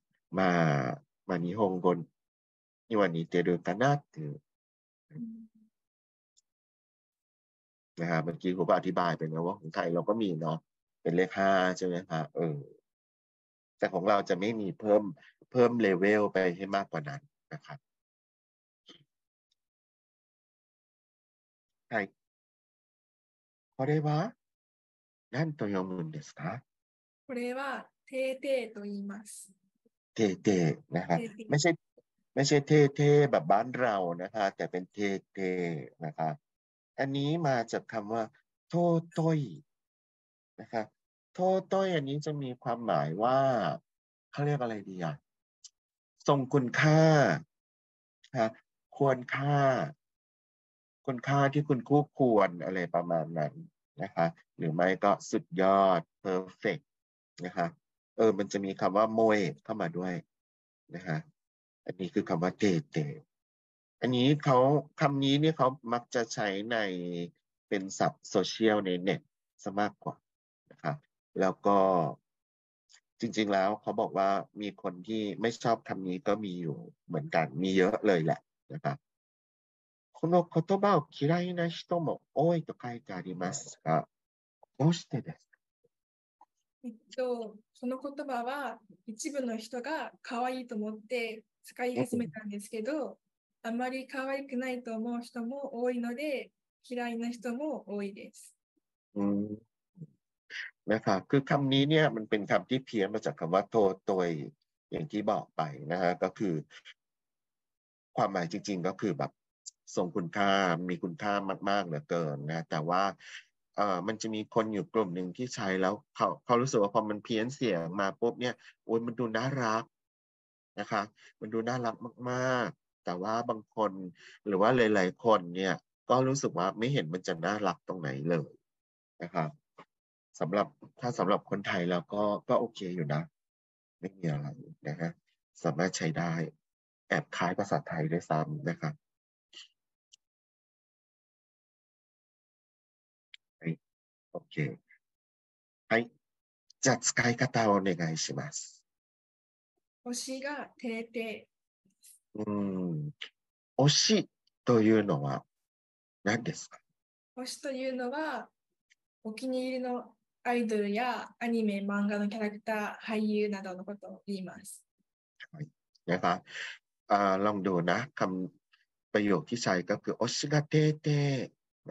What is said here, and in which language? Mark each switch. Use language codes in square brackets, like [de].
[ja] まあ、まあ、日本語には似てるかなっていう。 [th] นะครับเมื่อกี้ผมก็อธิบายไปนะว่าของไทยเราก็มีเนาะเป็นเลข5ใช่ไหมครับแต่ของเราจะไม่มีเพิ่มเลเวลไปให้มากกว่านั้นนะครับใช่ [ja] これは何と読むんですか？これはテーテーと言います。 [th] テーテーนะครับไม่ใช่เทเทแบบบ้านเรานะคะแต่เป็นเทเทนะคะอันนี้มาจากคำว่าโทโตยนะคะโทโตยอันนี้จะมีความหมายว่าเขาเรียกอะไรดีอ่ะทรงคุณค่าค่ะควรค่า คุณค่าที่คุณคู่ควรอะไรประมาณนั้นนะคะหรือไม่ก็สุดยอดเพอร์เฟกต์นะคะมันจะมีคำว่าโมยเข้ามาด้วยนะคะอันนี้คือคำว่าเตเตอันนี้เขาคำนี้เนี่ยเขามักจะใช้ในเป็นศัพท์โซเชียลในเน็ตซะมากกว่านะครับแล้วก็ จริงๆแล้วเขาบอกว่ามีคนที่ไม่ชอบคำนี้ก็มีอยู่เหมือนกันมีเยอะเลยแหละนะครับ [ja] この言葉を嫌いな人も多いと書いてありますがどうしてですか？その言葉は一部の人が可愛いと思って使い始めたんですけど、あまり可愛くないと思う人も多いので、嫌いな人も多いです。 [th] นะคะคือคำนี้เนี่ยมันเป็นคำที่เพี้ยนมาจากคำว่าโทษตัวอย่างที่บอกไปนะฮะก็คือความหมายจริงๆก็คือแบบทรงคุณค่ามีคุณค่ามากๆเหลือเกินนะแต่ว่า มันจะมีคนอยู่กลุ่มหนึ่งที่ใช้แล้วเขารู้สึกว่าพอมันเพี้ยนเสียงมาปุ๊บเนี่ยโอ้ยมันดูน่ารัก นะคะมันดูน่ารักมากๆแต่ว่าบางคนหรือว่าหลายๆคนเนี่ยก็รู้สึกว่าไม่เห็นมันจะน่ารักตรงไหนเลยนะครับสำหรับถ้าสำหรับคนไทยแล้วก็โอเคอยู่นะไม่มีอะไรนะฮะสามารถใช้ได้แอบคล้ายภาษาไทยด้วยซ้ำนะครับโอเค [ja] はいじゃあ使い方をお願いします。推しがテーテー。推しというのは何ですか？推しというのはお気に入りのアイドルやアニメ、漫画のキャラクター、俳優などのことを言います。はい。なんか、ロングドーナー、かむ、 [th] ประโยคที่ใช้ก็คือ [ja] 推しがテーテー。